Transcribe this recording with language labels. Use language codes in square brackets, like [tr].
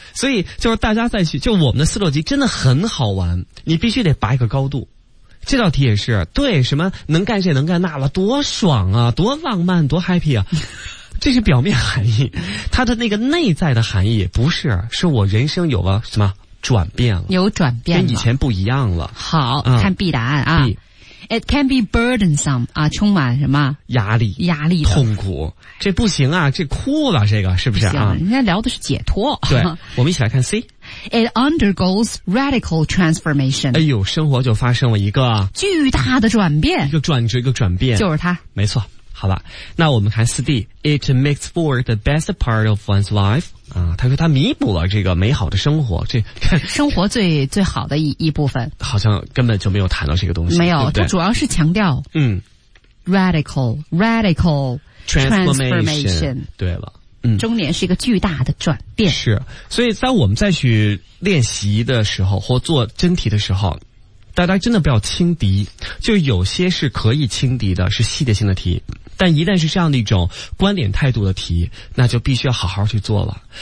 [zh] 所以就是大家再去，就我们的思路机真的很好玩，你必须得拔一个高度。这道题也是，对，什么能干这能干那了，多爽啊，多浪漫，多 happy 啊。这是表面含义，它的那个内在的含义不是，是我人生有了什么转变了，有转变了，跟以前不一样了。好，看 B 答案啊。 [en] It can be burdensome 啊， [zh] 充满什么压力的痛苦，这不行啊，这哭了，这个是不是啊？人家聊的是解脱。对，我们一起来看 C。 [en] It undergoes radical transformation。 [zh] 哎呦，生活就发生了一个巨大的转变，一个转折，一个转变，就是它，没错。好了，那我们看 4D。 [en] It makes for the best part of one's life [zh] 啊，他说他弥补了这个美好的生活，这生活最好的一部分，好像根本就没有谈到这个东西，没有，对不对？他主要是强调radical [en] transformation。 [zh] 对了，中年是一个巨大的转变，是。所以在我们再去练习的时候或做真题的时候，大家真的不要轻敌，就有些是可以轻敌的，是细节性的题，但一旦是这样的一种观点态度的题，那就必须要好好去做了。